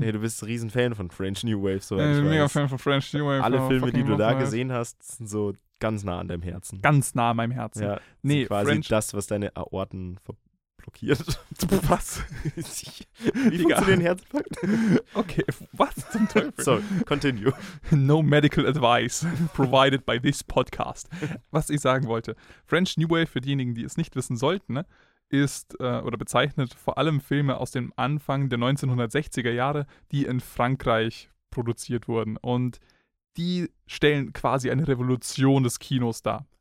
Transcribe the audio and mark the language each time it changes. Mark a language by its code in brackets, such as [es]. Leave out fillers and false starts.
[de] Nee, du bist ein Riesenfan von French New Wave. So, ich bin mega Fan von French New Wave. Alle Filme, die du da gesehen hast, sind so ganz nah an deinem Herzen. Ganz nah an meinem Herzen. Ja, nee, quasi [en] French. [de] Das, was deine Aorten blockiert. Was? Wie funktioniert den Herzinfarkt? Okay, was zum Teufel? [en] Sorry, continue. No medical advice provided by this podcast. [de] Was ich sagen wollte, French New Wave, für diejenigen, die es nicht wissen sollten, ist oder bezeichnet vor allem Filme aus dem Anfang der 1960er Jahre, die in Frankreich produziert wurden. Und die stellen quasi eine Revolution des Kinos dar.